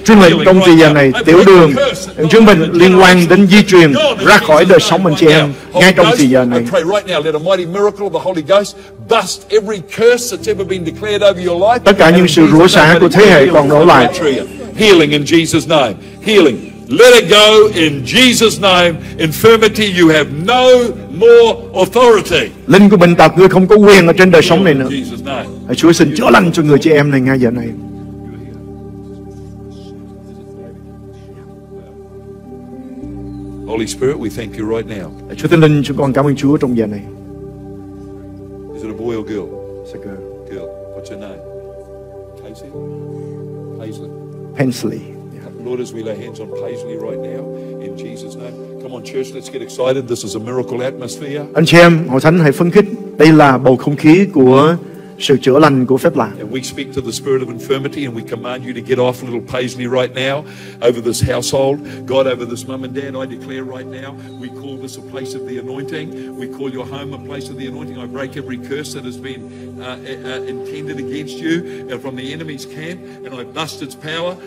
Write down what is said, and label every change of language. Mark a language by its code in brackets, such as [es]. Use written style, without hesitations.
[vi] Trên lệnh trong thời gian này, tiểu đường, chứng bệnh liên quan đến di truyền ra khỏi đời sống anh chị em ngay trong thời gian này. [en] I pray right now, let a mighty miracle of the Holy Ghost bust every curse that's ever been declared over your life. [vi] Tất cả những sự rủa xả của thế hệ còn đổ lại. [en] Healing in Jesus' name. Healing. Let it go in Jesus' name. Infirmity, you have no more authority. [vi] Linh của bệnh tật, ngươi không có quyền ở trên đời sống này nữa. Hãy Chúa xin chữa lành cho người chị em này ngay giờ này. [en] Holy Spirit, we thank you right now. [vi] Chúa Thánh Linh, chúng con cảm ơn Chúa trong giờ này. [en] Is it a boy or girl? It's a girl. Girl. What's your name? Paisley. Paisley. Pensley. Lord, as we lay hands on Paisley right now, in Jesus' name. Come on, church, let's get excited. This is a miracle atmosphere. [vi] Anh chị em, hội thánh hãy phấn khích. Đây là bầu không khí của sự chữa lành của phép lạ. [en] And we speak to the spirit of infirmity and we command you to get off little Paisley right now over this household. God, over this mum and dad, I declare right now, we call this a place of the anointing. We call your home a place of the anointing. I break every curse that has been intended against you from the enemy's camp and I bust its power.